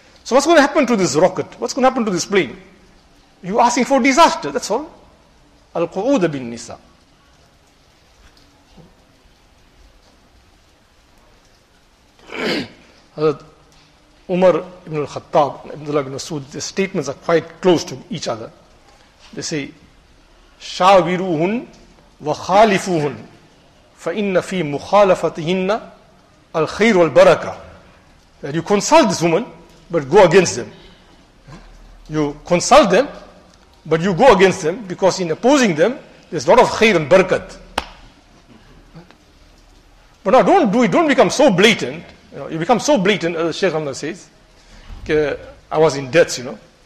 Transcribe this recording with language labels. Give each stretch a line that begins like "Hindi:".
English: So what's going to happen to this rocket? What's going to happen to this plane? You're asking for disaster. That's all.
Arabic: Al-Qu'ud bin Nisa.
English: Umar ibn al-Khattab and Abdullah ibn Masud, their statements are quite close to each other. They say,
Arabic: شاوروهن وخالفوهن فإن في مخالفتهن الخير والبركة.
English: That you consult this woman, but go against them. You consult them, but you go against them, because in opposing them, there's a lot of khair and barakat. But now don't do it, don't become so blatant. You become so blatant, as Shaykh Ramadan says, I was in debts, you know.